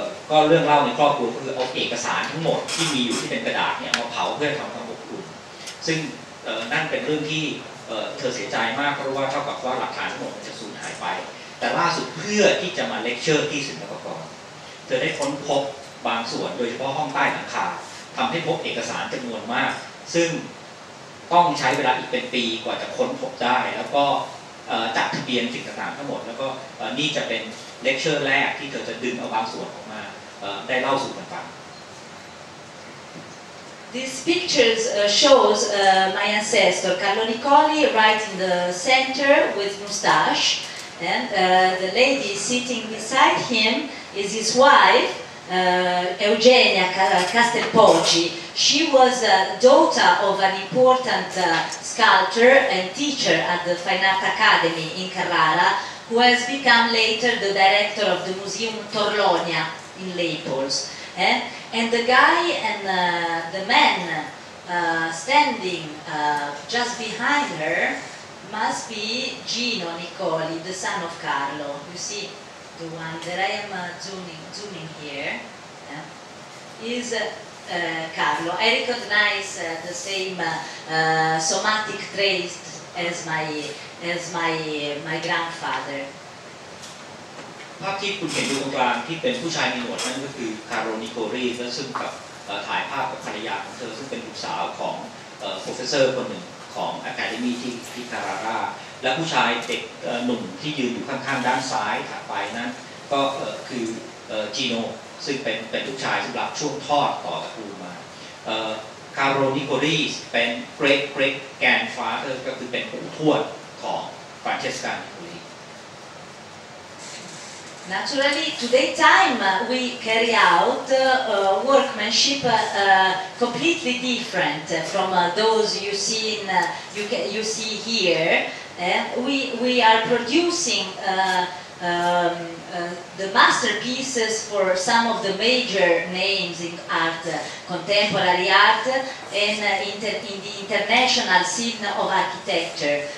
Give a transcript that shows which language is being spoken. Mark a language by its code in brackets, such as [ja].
[th] ก็เรื่องเล่าในครอบครัวคือเอาเอกสารทั้งหมดที่มีอยู่ที่เป็นกระดาษเนี่ยมาเผาเพื่อทำความอบอุ่นซึ่งนั่นเป็นเรื่องที่เธอเสียใจมากเพราะว่าเท่ากับว่าหลักฐานทั้งหมดจะสูญหายไปแต่ล่าสุดเพื่อที่จะมาเลคเชอร์ที่ศิลปากรเธอได้ค้นพบบางส่วนโดยเฉพาะห้องใต้หลังคาทำให้พบเอกสารจำนวนมากซึ่ง ต้องใช้เวลาอีกเป็นปีกว่าจะค้นพบได้แล้วก็จัดทะเบียนสิ่งต่างๆทั้งหมดแล้วก็นี่จะเป็นเลคเชอร์แรกที่เธอจะดึงเอาบางส่วนออกมาได้เล่าสู่กันฟัง [en] These pictures shows my ancestor Carlo Nicoli right in the center with mustache and the lady sitting beside him is his wife, Eugenia Castelpoggi. She was a daughter of an important sculptor and teacher at the Fine Art Academy in Carrara, who has become later the director of the Museum Torlonia in Naples. And the guy and the man standing just behind her must be Gino Nicoli, the son of Carlo. You see the one that I am zooming here, is Carlo. I recognize the same somatic trait as my grandfather. [th] ภาพที่คุณเห็นอยู่ตรงกลางที่เป็นผู้ชายในหนวดนั่นก็คือคาร์โลนิโกรีซึ่งกับถ่ายภาพกับภรรยาของเธอซึ่งเป็นลูกสาวของโปรเฟสเซอร์คนหนึ่งของอะคาเดมีที่คาราราและผู้ชายเด็กหนุ่มที่ยืนอยู่ข้างๆด้านซ้ายถัดไปนั้นก็คือจีโนซึ่งเป็นลูกชายสำหรับช่วงทอดต่อตระกูลมาคาร์โลนิโกรีเป็นเกรกแกนฟาเธอร์ก็คือเป็นปู่ทวดของฟรานเชสกา [en] Naturally, today time we carry out workmanship completely different from those you see in, you see here. We are producing the masterpieces for some of the major names in art, contemporary art, and in the international scene of architecture.